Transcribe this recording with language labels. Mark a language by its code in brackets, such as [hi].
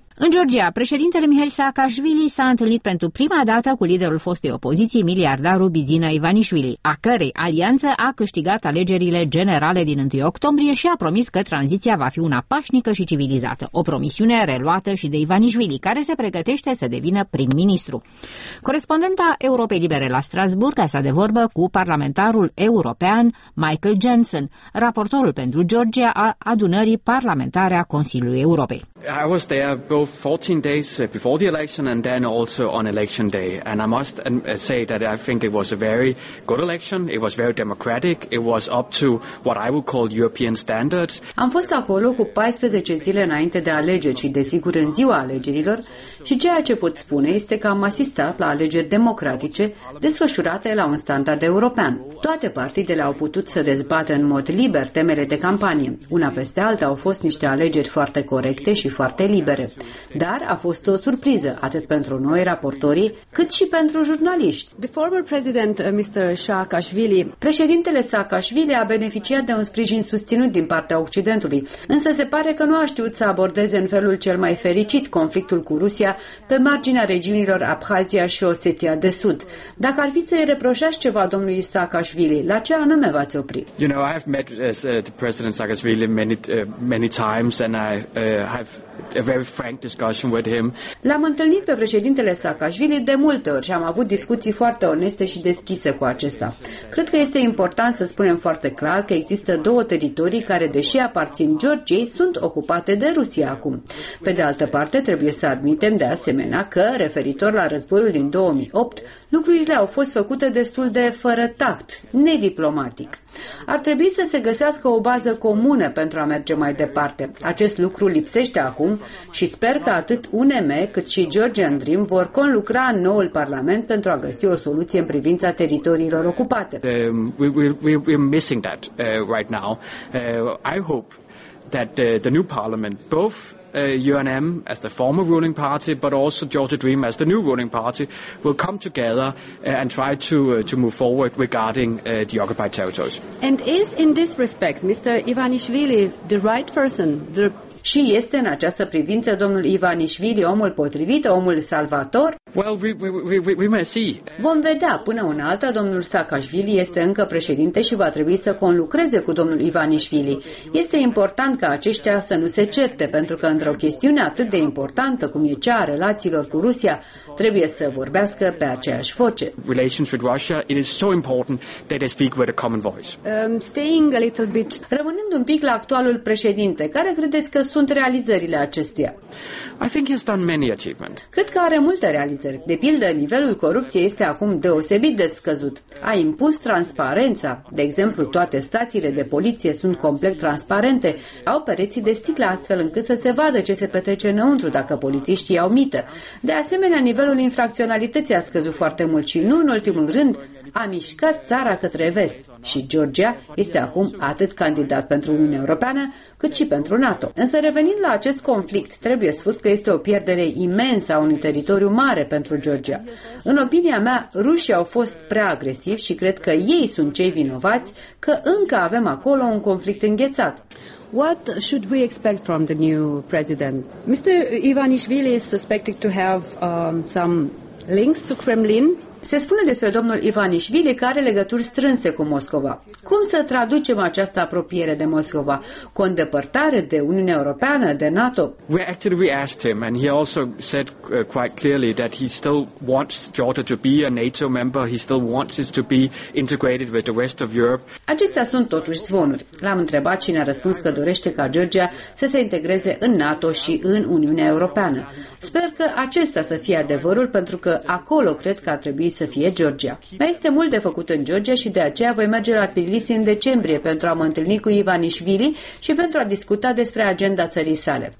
[ro] În Georgia, președintele Mihail Saakashvili s-a întâlnit pentru prima dată cu liderul fostei opoziții, miliardarul Bidzina Ivanishvili, a cărei alianță a câștigat alegerile generale din 1 octombrie și a promis că tranziția va fi una pașnică și civilizată, o promisiune reluată și de Ivanishvili, care se pregătește să devină prim-ministru. Corespondenta Europei Libere la Strasburg a stat de vorbă cu parlamentarul european Michael Jensen, raportorul pentru Georgia al adunării parlamentare a Consiliului Europei. [en] I was there both 14 days before the election and then also on election day. And I must say that I think it was a very good election. It was very democratic. It was up to what I would call European standards. [ro] Am fost acolo cu 14 zile înainte de alegeri și, desigur, în ziua alegerilor, și ceea ce pot spune este că am asistat la alegeri democratice desfășurate la un standard european. Toate partidele au putut să dezbată în mod liber temele de campanie. Una peste alta au fost niște alegeri foarte corecte și foarte libere. Dar a fost o surpriză, atât pentru noi raportorii, cât și pentru jurnaliști. [en] The former president, Mr. Saakashvili. [ro] Președintele Saakashvili a beneficiat de un sprijin susținut din partea Occidentului, însă se pare că nu a știut să abordeze în felul cel mai fericit conflictul cu Rusia pe marginea regiunilor Abhazia și Osetia de Sud. Dacă ar fi să-i reproșați ceva domnului Saakashvili, la ce anume v-ați opri? [en] You know, I've met the president Saakashvili many times and I have a very frank discussion with him. [ro] L-am întâlnit pe președintele Saakashvili de multe ori și am avut discuții foarte oneste și deschise cu acesta. Cred că este important să spunem foarte clar că există două teritorii care, deși aparțin Georgiei, sunt ocupate de Rusia acum. Pe de altă parte, trebuie să admitem de asemenea că, referitor la războiul din 2008, lucrurile au fost făcute destul de fără tact, nediplomatic. Ar trebui să se găsească o bază comună pentru a merge mai departe. Acest lucru lipsește acum și sper că atât UNM cât și Georgian Dream vor conlucra în noul Parlament pentru a găsi o soluție în privința teritoriilor ocupate. [en] We're missing that right now. I hope that the new Parliament, both UNM as the former ruling party, but also Georgia Dream as the new ruling party, will come together and try to move forward regarding the occupied territories. And is in this respect Mr. Ivanishvili the right person? [ro] Și este în această privință domnul Ivanishvili omul potrivit, omul salvator? [en] Well, we may see. [ro] Vom vedea. Până una alta, domnul Saakashvili este încă președinte și va trebui să conlucreze cu domnul Ivanishvili. Este important ca aceștia să nu se certe, pentru că într-o chestiune atât de importantă cum e cea a relațiilor cu Rusia, trebuie să vorbească pe aceeași voce. [en] Relations with Russia, it is so important that they speak with a common voice. Staying a little bit. [ro] Rămânând un pic la actualul președinte, care credeți că sunt realizările acestuia? [en] I think he's done many achievements. [ro] Cred că are multe realizări. De pildă, nivelul corupției este acum deosebit de scăzut. A impus transparența. De exemplu, toate stațiile de poliție sunt complet transparente. Au pereții de sticlă astfel încât să se vadă ce se petrece înăuntru dacă polițiștii au mită. De asemenea, nivelul infracționalității a scăzut foarte mult și nu în ultimul rând, a mișcat țara către vest și Georgia este acum atât candidat pentru Uniunea Europeană cât și pentru NATO. Însă revenind la acest conflict, trebuie spus că este o pierdere imensă a unui teritoriu mare pentru Georgia. În opinia mea, rușii au fost prea agresivi și cred că ei sunt cei vinovați că încă avem acolo un conflict înghețat. [en] What should we expect from the new president? Mr. Ivanishvili is suspected to have some links to Kremlin. [ro] Se spune despre domnul Ivanishvili că are legături strânse cu Moscova. Cum să traducem această apropiere de Moscova? Cu îndepărtare de Uniunea Europeană, de NATO? [en] We actually asked him and he also said quite clearly that he still wants Georgia to be a NATO member, he still wants it to be integrated with the rest of Europe. [ro] Acestea sunt totuși zvonuri. L-am întrebat și ne-a răspuns că dorește ca Georgia să se integreze în NATO și în Uniunea Europeană. Sper că acesta să fie adevărul, pentru că acolo cred că ar trebui să fie Georgia. Mai este mult de făcut în Georgia și de aceea voi merge la Tbilisi în decembrie pentru a mă întâlni cu Ivanishvili și pentru a discuta despre agenda țării sale.